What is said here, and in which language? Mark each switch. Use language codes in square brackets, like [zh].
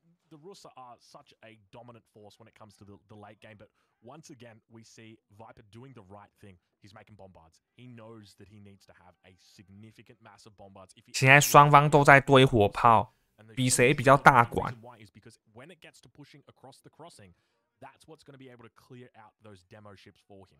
[en] The Russa are such a dominant force when it comes to the late game, but once again we see Viper doing the right thing. He's making bombards. He knows that he needs to have a significant mass of bombards. [zh] 现在双方都在堆火炮，比谁比较大管。 [en] Why is because when it gets to pushing across the crossing, that's what's going to be able to clear out those demo ships for him.